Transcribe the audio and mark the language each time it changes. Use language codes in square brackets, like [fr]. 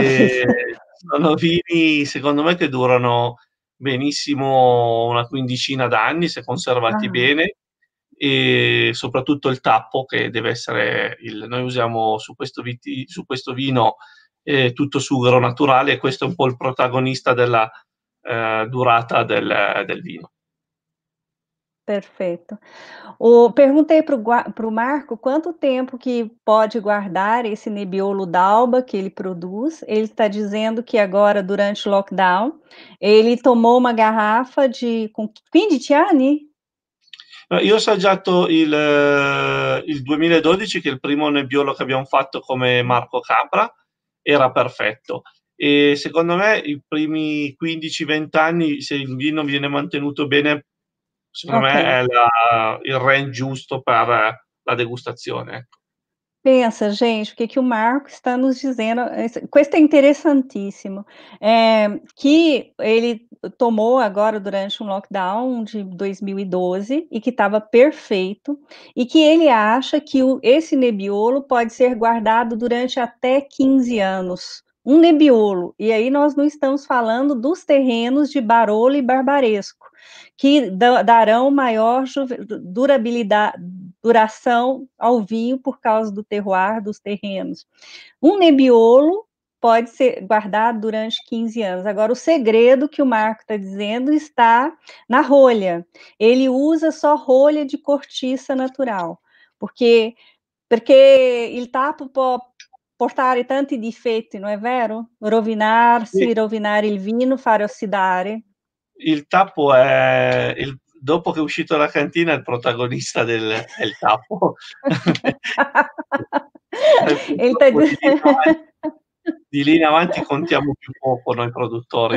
[it] E sono vini, secondo me, che durano benissimo una quindicina d'anni se conservati bene. E soprattutto il tappo, che deve essere noi usiamo su questo vino tutto sughero naturale, e questo è un po' il protagonista della durata del vino. [pt] Perfeito. O perguntei para o Marco quanto tempo que pode guardar esse Nebbiolo d'Alba que ele produz. Ele está dizendo que agora, durante o lockdown, ele tomou uma garrafa de com 15 anni. [it] Io ho assaggiato il 2012, che è il primo nebbiolo che abbiamo fatto come Marco Capra, era perfetto. E secondo me i primi 15-20 anni, se il vino viene mantenuto bene, secondo Ok. me è il range giusto per la degustazione. [pt] Pensa, gente, o que que o Marco está nos dizendo? Questo é interessantíssimo. É, que ele tomou agora durante um lockdown de 2012 e que estava perfeito, e que ele acha que esse Nebbiolo pode ser guardado durante até 15 anos. Um Nebbiolo. E aí nós não estamos falando dos terrenos de Barolo e Barbaresco, que darão maior durabilidade. Duração ao vinho por causa do terroir dos terrenos. Um Nebbiolo pode ser guardado durante 15 anos. Agora, o segredo que o Marco está dizendo está na rolha. Ele usa só rolha de cortiça natural, porque [it] il tappo può portare tanti difetti, [pt] não é vero? [it] Rovinarsi, rovinare il vino, fare ossidare. Il tappo è dopo che è uscito dalla cantina, il protagonista è il tappo. Purtroppo di lì in avanti contiamo più poco noi produttori.